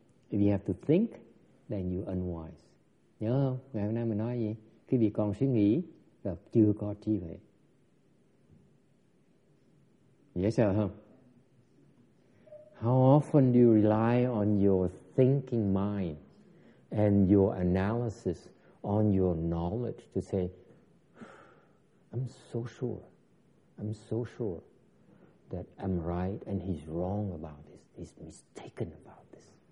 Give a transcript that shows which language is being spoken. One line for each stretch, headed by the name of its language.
English: If you have to think, then you're unwise.
Vietnamese: Nhớ không? Ngày hôm nay mình nói gì? Khi vì còn suy nghĩ, là chưa có trí huệ. Dễ sợ không?
English: How often do you rely on your thinking mind and your analysis on your knowledge to say, I'm so sure that I'm right and he's wrong about this, he's mistaken about this.